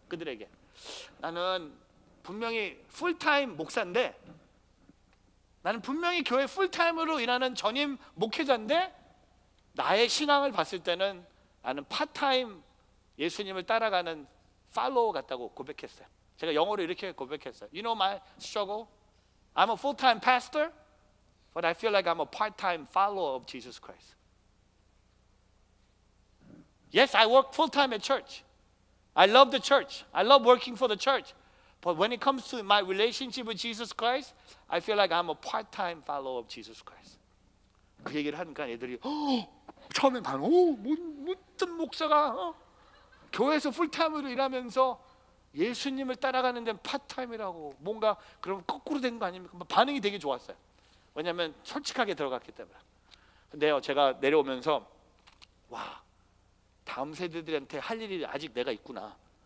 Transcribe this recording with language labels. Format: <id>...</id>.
<ko>그들에게 나는 분명히 풀타임 목사인데, 나는 분명히 교회 풀타임으로 일하는 전임 목회자인데 나의 신앙을 봤을 때는 나는 파타임 예수님을 따라가는 팔로워 같다고 고백했어요. 제가 영어로 이렇게 고백했어요.</ko> <en>You know my struggle? I'm a full-time pastor, but I feel like I'm a part-time follower of Jesus Christ. Yes, I work full-time at church. I love the church. I love working for the church. But when it comes to my relationship with Jesus Christ, I feel like I'm a part-time follower of Jesus Christ.</en> <ko>그 얘기를 하니까 애들이 처음에 무슨 목사가 교회에서 풀타임으로 일하면서 예수님을 따라가는 데는 파트타임이라고 뭔가 그럼 거꾸로 된 거 아닙니까? 반응이 되게 좋았어요. 왜냐하면 솔직하게 들어갔기 때문에. 근데요 제가 내려오면서 와 다음 세대들한테 할 일이 아직 내가 있구나.</ko>